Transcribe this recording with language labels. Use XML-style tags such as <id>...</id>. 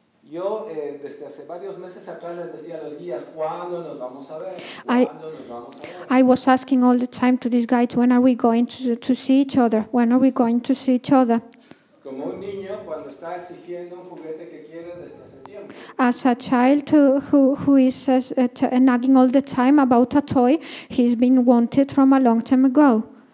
<es>Yo, desde hace varios meses atrás les decía a los guías, ¿cuándo nos vamos a ver? ¿Cuándo nos vamos a ver?</es> <en>I was asking all the time to these guides, when are we going to see each other? When are we going to see each other?</en> <es>Como un niño cuando está exigiendo un juguete que quiere desde hace tiempo.</es> <en>As a child who is nagging all the time about a toy he's been wanted from a long time ago.</en>